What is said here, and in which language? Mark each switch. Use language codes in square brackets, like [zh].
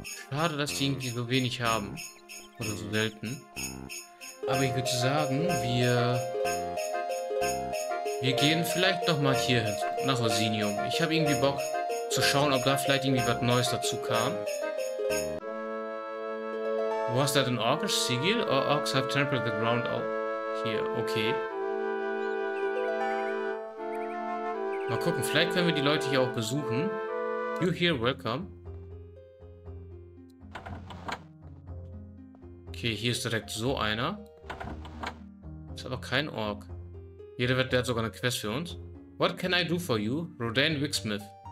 [de] Schade, dass die irgendwie so wenig haben. Oder so selten. Aber ich würde sagen, wir gehen vielleicht nochmal hier hin, nach Osinium. Ich habe irgendwie Bock zu schauen, ob da vielleicht irgendwie was Neues dazu kam. [en] Was that an Orcish Sigil? Or Orcs have trampled the ground out here? Okay. [de] Mal gucken, vielleicht können wir die Leute hier auch besuchen. [en] You here, welcome. [de] Okay, hier ist direkt so einer. Ist aber kein Ork. Jeder wird, der hat sogar eine Quest für uns. [en] What can I do for you, Rodan Wicksmith?